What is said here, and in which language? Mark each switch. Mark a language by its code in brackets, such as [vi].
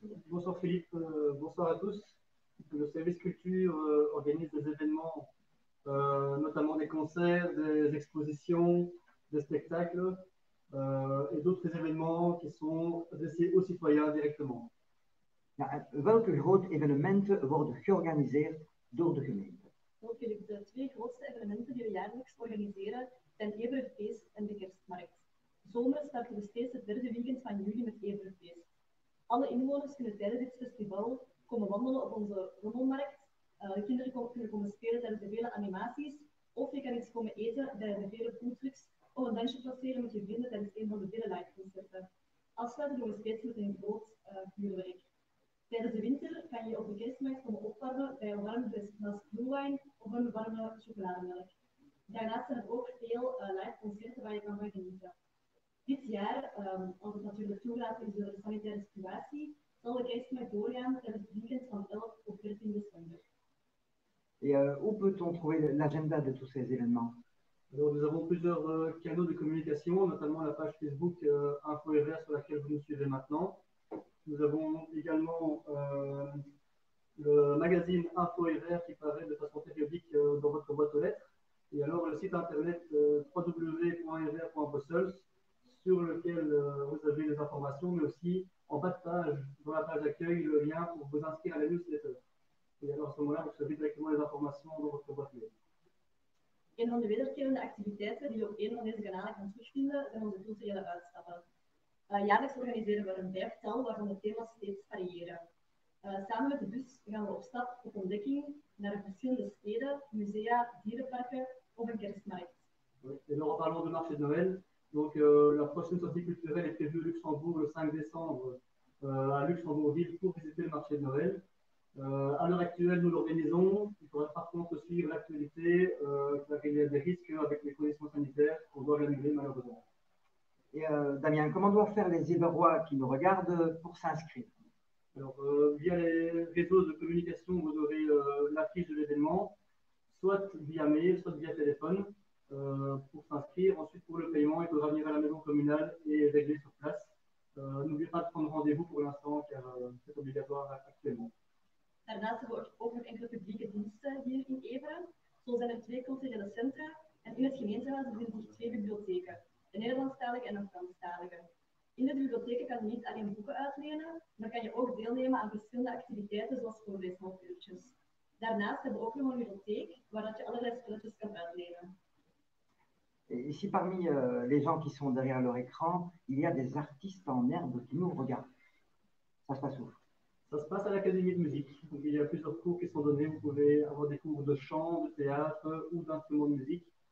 [fr] Bonsoir Philippe, bonsoir à tous. Le service « culture » organise des événements, notamment des concerts, des expositions, des spectacles et d'autres événements qui sont adressés aux citoyens directement. [nl] Ja, welke grote evenementen worden georganiseerd door de gemeente? Oké, de twee grootste evenementen die we jaarlijks organiseren zijn Everfeest en de Kerstmarkt. Zomers starten we steeds het derde weekend van juli met Everfeest. Alle inwoners kunnen tijdens dit festival komen wandelen op onze rommelmarkt. Kinderen kunnen komen spelen tijdens de vele animaties. Of je kan iets komen eten bij de vele foodtrucks. Of een dansje placeren met je vrienden tijdens een van de vele liveconcerten. Afsluiten doen we steeds met een groot vuurwerk. Tijdens de winter kan je op de kerstmarkt komen opwarmen bij een warm glas blue wine of een warme chocolademelk. Daarnaast zijn er ook veel live concerten waar je kan van genieten. Dit jaar, als het natuurlijk toegelaten is door de sanitaire situatie, zal de kerstmarkt doorgaan tijdens het weekend van 11 op 13 december. En hoe [fr] peut-on trouver l'agenda de tous ces événements? Alors, nous avons plusieurs canaux de communication, notamment la page Facebook InfoRR sur laquelle vous nous suivez maintenant. Nous avons également le magazine InfoRR qui paraît de façon périodique dans votre boîte aux lettres. Et alors le site internet www.rr.brussels sur lequel vous avez les informations, mais aussi en bas de page, dans la page d'accueil, le lien pour vous inscrire à la newsletter. Et alors à ce moment-là, vous recevez directement les informations dans votre boîte aux lettres. [nl] Een van de wederkerende activiteiten die je op een van deze kanalen kan terugvinden, zijn onze culturele uitstappen. Jaarlijks organiseren we een vijftal waarvan de thema's steeds variëren. Samen met de bus gaan we op stap op ontdekking naar verschillende steden, musea, dierenparken of een kerstmarkt. En dan [fr] parlons de marché de Noël. Donc, la prochaine sortie culturelle est prévue au Luxembourg le 5 décembre à Luxembourg-Ville pour visiter le marché de Noël. À l'heure actuelle, nous l'organisons. Il faudra par contre suivre l'actualité, car il y a des risques avec les conditions sanitaires qu'on doit l'annuler malheureusement. Et Damien, comment doivent faire les Iberois qui nous regardent pour s'inscrire? Alors, via les réseaux de communication, vous aurez l'affiche de l'événement, soit via mail, soit via téléphone, pour s'inscrire. Ensuite, pour le paiement, il faudra venir à la maison communale et régler sur place. N'oubliez pas de prendre rendez-vous pour l'instant, car c'est obligatoire actuellement. [nl] Daarnaast hebben we ook nog enkele publieke diensten hier in Everen. Zo zijn er 2 culturele centra en in het gemeentehuis bevinden zich 2 bibliotheken, een Nederlandstalige en een Franstalige. In de bibliotheken kan je niet alleen boeken uitlenen, maar kan je ook deelnemen aan verschillende activiteiten zoals voorleeshalfuurtjes. Daarnaast hebben we ook nog een bibliotheek waar je allerlei spulletjes kan uitlenen. [fr] Ici parmi les gens qui sont derrière leur écran, il y a des artistes en herbe qui nous regardent. Ça se passe où? Ça se passe à l'Académie de musique. Donc, il y a plusieurs cours qui sont donnés. Vous pouvez avoir des cours de chant, de théâtre ou d'instruments de musique.